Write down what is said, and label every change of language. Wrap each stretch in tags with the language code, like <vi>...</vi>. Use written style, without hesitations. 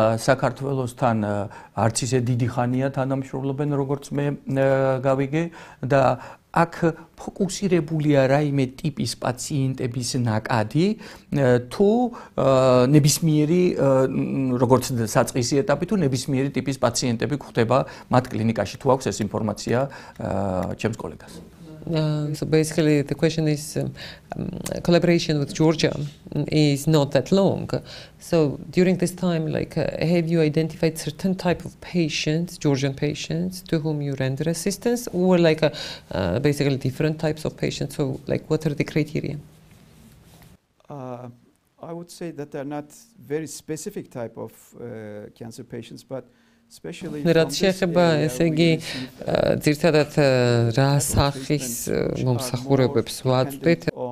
<ka>საქართველოსთან არც ისე დიდი ხანია თანამშრომლობენ, როგორც მე გავიგე და აქ ფოკუსირებულია რაიმე ტიპის პაციენტების ნაკადი თუ ნებისმიერი როგორც საწყისი ეტაპი თუ ნებისმიერი ტიპის პაციენტები გვხვდება მათ კლინიკაში თუ აქვს ეს ინფორმაცია ჩემს კოლეგას.</ka> <en>So basically the question is collaboration with Georgia is not that long. So during this time, like, have you identified certain type of patients, Georgian patients, to whom you render assistance, or like basically different types of patients? So like, what are the criteria? I would say that they're not very specific type of cancer patients, but</en> <ka>რაც შეეხება, ესე იგი, ძირითადად რა სახის მომსახურებებს ვაწვდით.</ka>